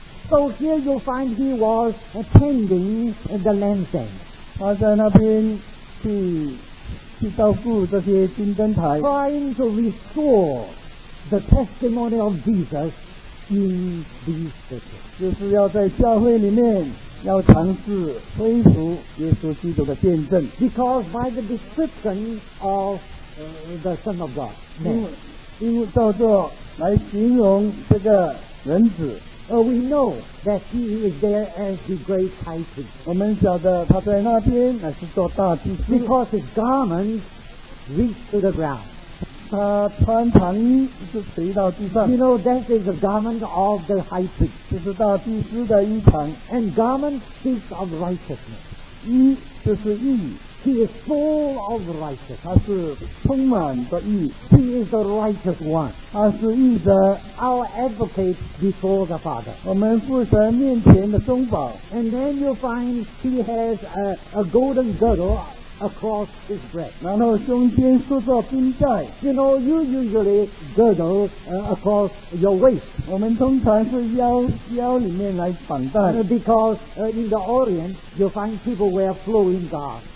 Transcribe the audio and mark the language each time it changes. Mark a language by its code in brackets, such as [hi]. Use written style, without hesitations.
[en] So here you find he was attending the lampstand. [zh] 他在那边去照顾这些金灯台。 [en] Trying to restore the testimony of Jesus in these churches. [zh] 就是要在教会里面要尝试恢复耶稣基督的见证 [en] Because by the description of the Son of God [zh] 因为照做来形容这个人子 [en] We know that he is there as the great high priest [zh] 我们晓得他在那边乃是做大祭司 [en] Because his garments reach to the ground [zh] 他穿长衣是垂到地上 [en] You know that is the garment of the high priest [zh] 这是大祭司的衣裳 [en] And garment speaks of righteousness [zh] 衣就是义 [en] He is full of righteousness [zh] 他是充满的义 [en] He is the righteous one [zh] 他是义的 [en] Our advocate before the Father [zh] 我们父神面前的中保 [en] And then you find he has a golden girdleAcross his breast. [zh] 然后胸前束着金带 [en] You know, you usually girdle across your waist. [zh] 我们通常是腰里面来绑带 [en] Because in the Orient, you find people wear flowing garments.